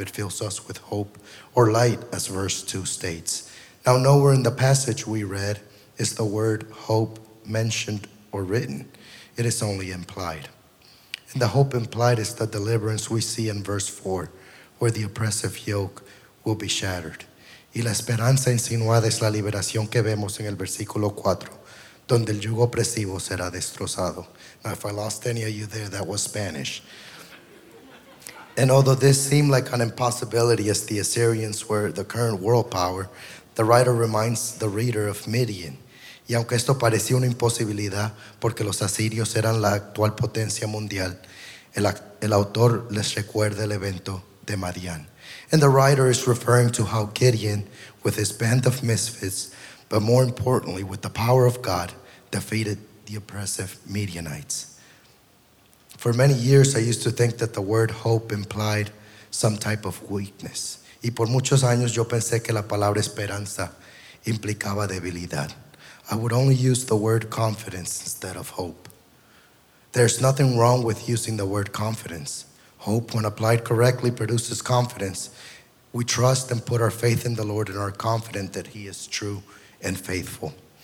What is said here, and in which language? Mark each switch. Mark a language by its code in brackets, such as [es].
[en] It fills us with hope, or light, as verse 2 states. Now, nowhere in the passage we read is the word hope mentioned or written. It is only implied. And the hope implied is the deliverance we see in verse 4, where the oppressive yoke will be shattered. [es] Y la esperanza insinuada es la liberación que vemos en el versículo 4, donde el yugo opresivo será destrozado. [en] Now, if I lost any of you there, that was Spanish. And although this seemed like an impossibility as the Assyrians were the current world power, the writer reminds the reader of Midian. [es] Y aunque esto parecía una imposibilidad porque los asirios eran la actual potencia mundial, el autor les recuerda el evento de Madian. [en] And the writer is referring to how Gideon, with his band of misfits, but more importantly, with the power of God, defeated the oppressive Midianites. For many years, I used to think that the word hope implied some type of weakness. [es] Y por muchos años, yo pensé que la palabra esperanza implicaba debilidad. [en] I would only use the word confidence instead of hope. There's nothing wrong with using the word confidence. Hope, when applied correctly, produces confidence. We trust and put our faith in the Lord and are confident that He is true and faithful.